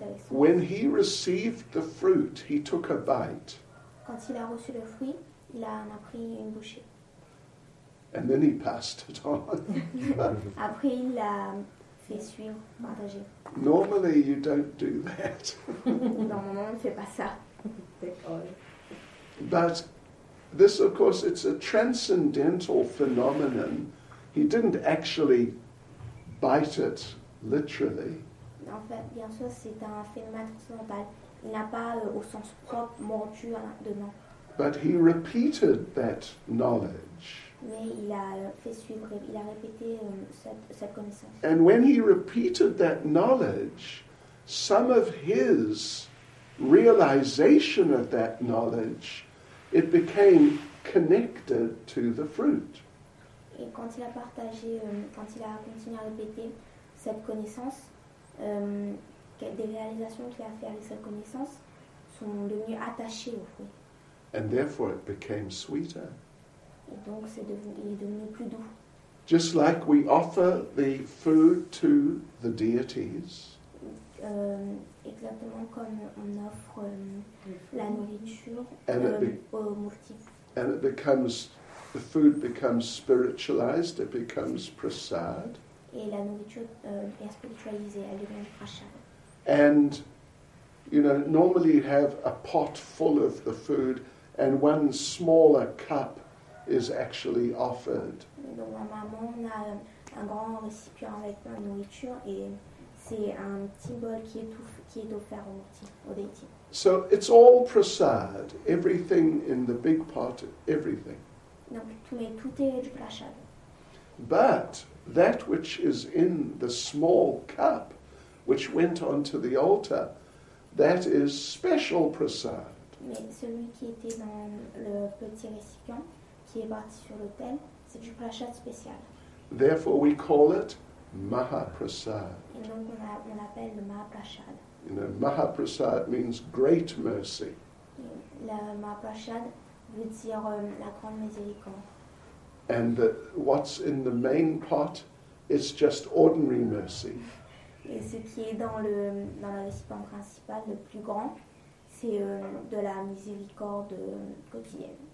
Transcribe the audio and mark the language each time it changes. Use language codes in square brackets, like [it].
[en] When he received the fruit, he took a bite. [fr] Quand il a reçu le fruit, il en a pris une bouchée. [en] And then he passed it on. [fr] Après, il l'a fait suivre, partager. [en] Normally, you don't do that. [fr] Normalement, on ne fait pas ça. [en] But this, of course, it's a transcendental phenomenon. He didn't actually bite it. Literally. [fr] En fait, bien sûr, c'est un phénomène transcendantal. Il n'a pas, au sens propre, mordu dedans. [en] But he repeated that knowledge. [fr] Mais il a fait suivre, il a répété cette connaissance. [en] And when he repeated that knowledge, some of his realization of that knowledge, it became connected to the fruit. [fr] Et quand il a partagé, quand il a continué à répéter cette connaissance, des réalisations qu'il a fait avec cette connaissance sont devenues attachées au fruit. [en] And therefore it became sweeter. [fr] Et donc il est devenu plus doux. [en] Just like we offer the food to the deities. [fr] Exactement comme on offre la nourriture aux multiples. [en] And the food becomes spiritualized, it becomes prasad. [fr] Et la nourriture est spiritualisée, elle devient prasad. [en] And, you know, normally you have a pot full of the food and one smaller cup is actually offered. [fr] Donc normalement on a un grand récipient avec la nourriture et c'est un petit bol qui est offert au déity. [en] So it's all prasad, everything in the big pot, everything. [fr] Donc tout est du prasad. [en] But that which is in the small cup, which went onto the altar, that is special prasad. [fr] Mais celui qui était dans le petit récipient, qui est parti sur l'autel, c'est du prasad spécial. [en] Therefore we call it Mahaprasad. [fr] Et donc on l'appelle le Mahaprasad. [en] You know, Mahaprasad means great mercy. [fr] Le Mahaprasad veut dire la grande miséricorde. [en] And that what's in the main pot is just ordinary mercy. [fr] Et ce qui est dans le récipient principal, le plus grand, c'est de la miséricorde quotidienne.